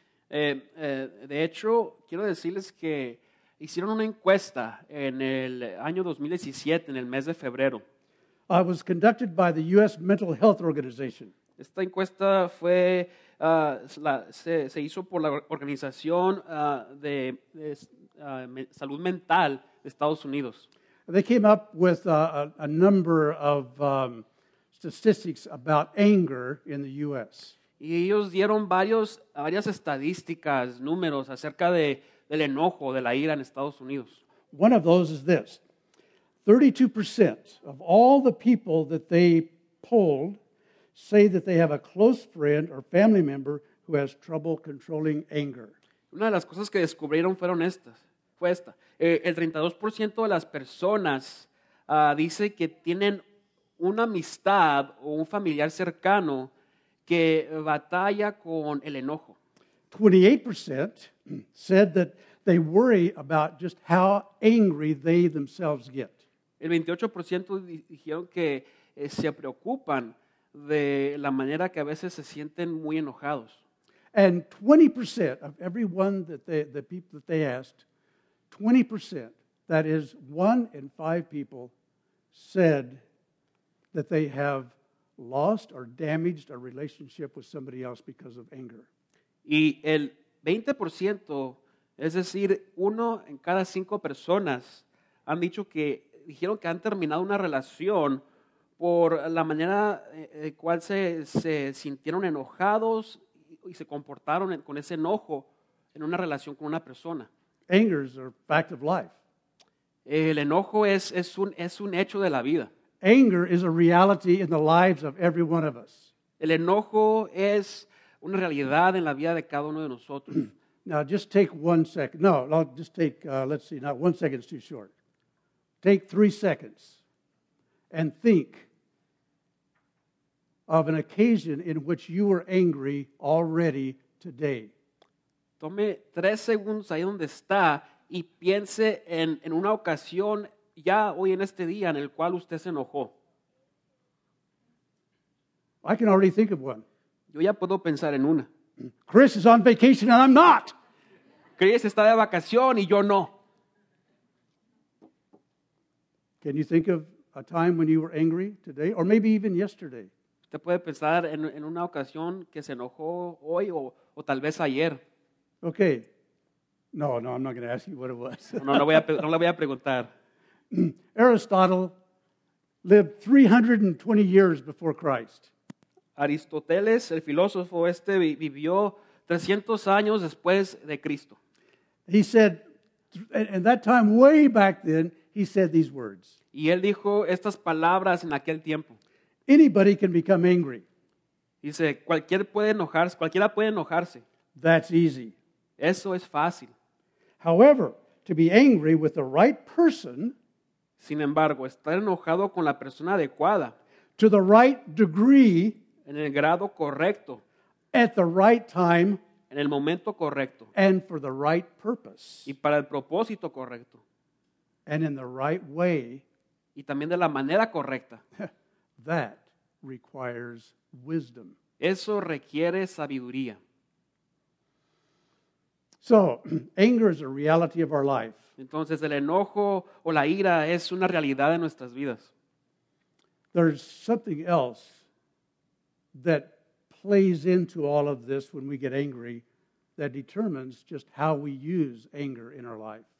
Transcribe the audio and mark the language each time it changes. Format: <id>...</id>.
<es>De hecho, quiero decirles que hicieron una encuesta en el año 2017, en el mes de febrero.</es> <en>It was conducted by the U.S. Mental Health Organization.</en> <es>Esta encuesta fue se hizo por la organización de salud mental de Estados Unidos.</es> <en>They came up with a number of statistics about anger in the U.S.</en> <es>Y ellos dieron varias estadísticas, números acerca del enojo, de la ira en Estados Unidos.</es> <en>One of those is this: 32% of all the people that they polled say that they have a close friend or family member who has trouble controlling anger.</en> <es>Una de las cosas que descubrieron fue esta. El 32% de las personas dice que tienen una amistad o un familiar cercano que batalla con el enojo.</es> <en>28% said that they worry about just how angry they themselves get.</en> <es>El 28% dijeron que se preocupan de la manera que a veces se sienten muy enojados.</es> <en>And 20% of everyone the people that they asked, 20%, that is one in five people, said that they have lost or damaged a relationship with somebody else because of anger.</en> <es>Y el 20%, es decir, uno en cada cinco personas, han dicho que dijeron que han terminado una relación por la manera en cual se sintieron enojados y se comportaron con ese enojo en una relación con una persona.</es> <en>Anger is a fact of life.</en> <es>El enojo es un hecho de la vida.</es> <en>Anger is a reality in the lives of every one of us.</en> <es>El enojo es una realidad en la vida de cada uno de nosotros.</es> <en>Now, just take one second. No, I'll just take, let's see, not one second is too short. Take 3 seconds. And think of an occasion in which you were angry already today.</en> <es>Tome 3 segundos ahí donde está y piense en una ocasión ya hoy en este día en el cual usted se enojó.</es> <en>I can already think of one.</en> <es>Yo ya puedo pensar en una.</es> <en>Chris is on vacation and I'm not.</en> <es>Chris está de vacación y yo no.</es> <en>Can you think of a time when you were angry today, or maybe even yesterday?</en> <es>Te puede pensar en una ocasión que se enojó hoy o tal vez ayer.</es> <en>Okay. No, no, I'm not going to ask you what it was.</en> <es>No, no le voy a preguntar.</es> <en>Aristotle lived 320 years before Christ.</en> <es>Aristóteles, el filósofo este, vivió 300 años después de Cristo.</es> <en>He said, in that time, way back then, he said these words.</en> <es>Y él dijo estas palabras en aquel tiempo.</es> <en>Anybody can become angry.</en> <es>Dice, cualquiera puede enojarse.</es> <en>That's easy.</en> <es>Eso es fácil.</es> <en>However, to be angry with the right person,</en> <es>sin embargo, estar enojado con la persona adecuada,</es> <en>to the right degree,</en> <es>en el grado correcto,</es> <en>at the right time,</en> <es>en el momento correcto,</es> <en>and for the right purpose,</en> <es>y para el propósito correcto,</es> <en>and in the right way,</en> <es>y también de la manera correcta,</es> <en>that requires wisdom.</en> <es>Eso requiere sabiduría.</es> <en>So, anger is a reality of our life.</en> <es>Entonces, el enojo o la ira es una realidad de nuestras vidas.</es> <en>There's something else that plays into all of this when we get angry that determines just how we use anger in our life.</en>